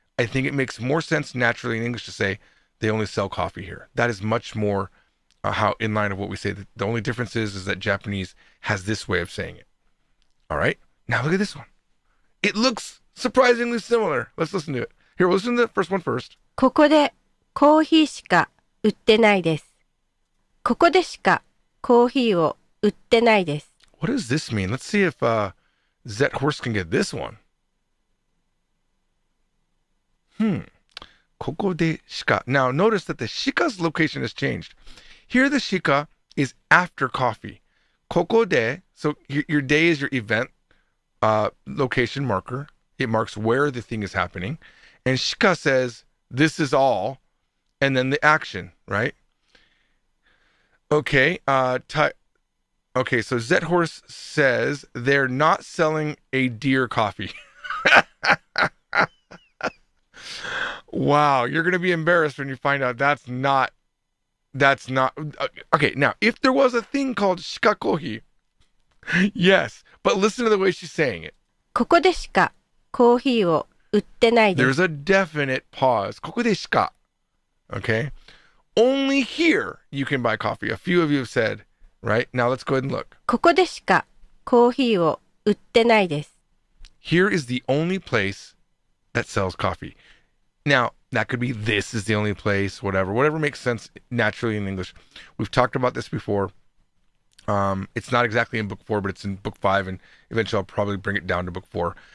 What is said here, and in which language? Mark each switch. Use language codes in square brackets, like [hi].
[en] I think it makes more sense naturally in English to say they only sell coffee here. That is much more how in line of what we say. The only difference is that Japanese has this way of saying it. All right, now look at this one. It looks surprisingly similar. Let's listen to it. Here, we'll listen to the first one first. [ja] ここでコーヒーしか売ってないです。ここでしかコーヒーを売ってないです。 [en] What does this mean? Let's see if Zet Horse can get this one. [ja] ここでしか. [en] Now, notice that the shika's location has changed. Here, the shika is after coffee. [ja] ここで, [en] so your day is your event location marker. It marks where the thing is happening. And shika says, this is all. And then the action, right? Okay. Okay, so Zet Horse says they're not selling a deer coffee. Wow, you're going to be embarrassed when you find out that's not. Okay, now, if there was a thing called shika kohi, yes, but listen to the way she's saying it. [ja] ここでしかコーヒーを売ってないです。 [en] There's a definite pause. [ja] ここでしか. [en] Okay? Only here you can buy coffee. A few of you have said, right? Now let's go ahead and look. [ja] ここでしかコーヒーを売ってないです。 [en] Here is the only place that sells coffee. Now, that could be this is the only place, whatever makes sense naturally in English. We've talked about this before. It's not exactly in book 4, but it's in book 5, and eventually I'll probably bring it down to book 4.